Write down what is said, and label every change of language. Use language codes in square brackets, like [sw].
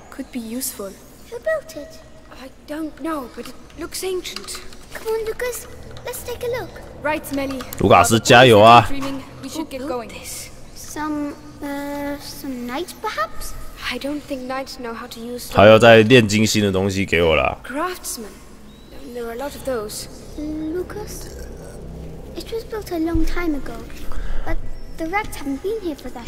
[en] Could be useful. Who built it? I don't know, but it looks ancient. Come on, Lucas. Let's take a look. Right, Melly. [zh] Lucas, 加油啊！ [en] We should get going. This. Some knights, perhaps? I don't think knights know how to use. [zh] 他要再炼金星的东西给我了。 [en] Craftsmen. There are a lot of those. Lucas, it was built a long time ago, but. The rats haven't been here for that.